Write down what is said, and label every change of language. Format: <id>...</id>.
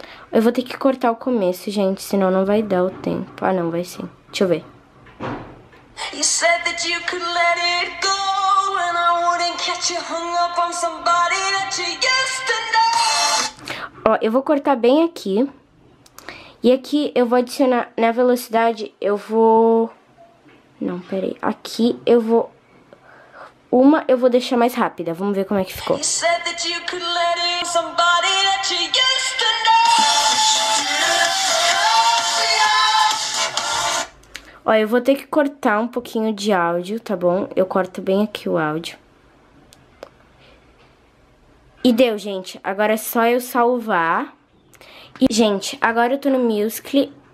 <pt>Eu vou ter que cortar o começo, gente, senão não vai dar o tempo. Ah, não, vai sim. Deixa eu ver.</pt> <en>You said that you could let it go, and I wouldn't catch you hung up on somebody that you used to know.</en> <pt>Ó, eu vou cortar bem aqui. E aqui eu vou adicionar na velocidade, eu vou... Não, peraí. Aqui eu vou... Uma eu vou deixar mais rápida. Vamos ver como é que ficou.</pt> <en>You said that you could let it go, somebody that you used to know.</en> <pt>Ó, eu vou ter que cortar um pouquinho de áudio, tá bom? Eu corto bem aqui o áudio. E deu, gente. Agora é só eu salvar. E, gente, agora eu tô no Musical.ly.</pt>